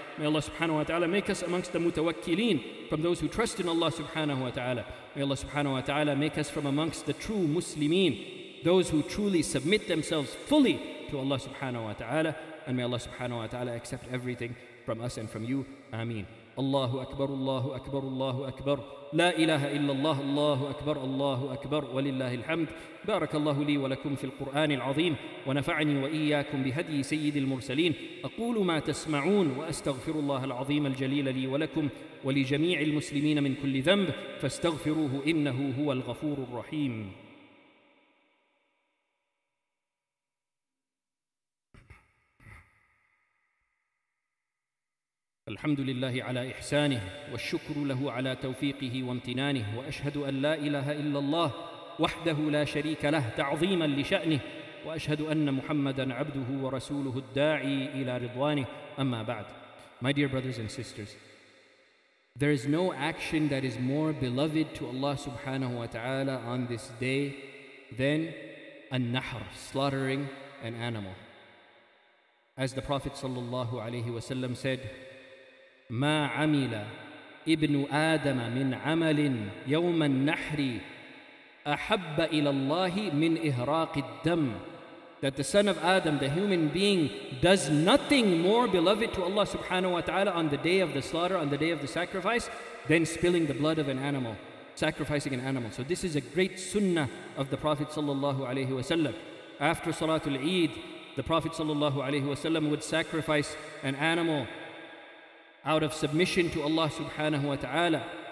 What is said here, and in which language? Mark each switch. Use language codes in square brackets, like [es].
[en] May Allah subhanahu wa ta'ala make us amongst the mutawakkileen, from those who trust in Allah subhanahu wa ta'ala. May Allah subhanahu wa ta'ala make us from amongst the true muslimin, those who truly submit themselves fully to Allah subhanahu wa ta'ala. And may Allah subhanahu wa ta'ala accept everything from us and from you. Ameen. [ar] الله أكبر الله أكبر الله أكبر لا إله إلا الله الله أكبر الله أكبر ولله الحمد بارك الله لي ولكم في القرآن العظيم ونفعني وإياكم بهدي سيد المرسلين أقول ما تسمعون وأستغفر الله العظيم الجليل لي ولكم ولجميع المسلمين من كل ذنب فاستغفروه إنه هو الغفور الرحيم. الحمد لله على إحسانه والشكر له على توفيقه وامتنانه وأشهد أن لا إله إلا الله وحده لا شريك له تعظيما لشأنه وأشهد أن محمدًا عبده ورسوله الداعي إلى رضوانه. أما بعد. [en] My dear brothers and sisters, there is no action that is more beloved to Allah subhanahu wa ta'ala on this day than النحر, slaughtering an animal. As the Prophet sallallahu alayhi wa sallam said, [ar] ما عمل ابن آدم من عمل يوم النحر أحب إلى الله من إهراق الدم. [en] That the son of Adam, the human being, does nothing more beloved to Allah subhanahu wa ta'ala on the day of the slaughter, on the day of the sacrifice, than spilling the blood of an animal, sacrificing an animal. So this is a great sunnah of the Prophet sallallahu alayhi wa sallam. After Salatul Eid, the Prophet sallallahu alayhi wa sallam would sacrifice an animal out of submission to Allah subhanahu wa ta'ala.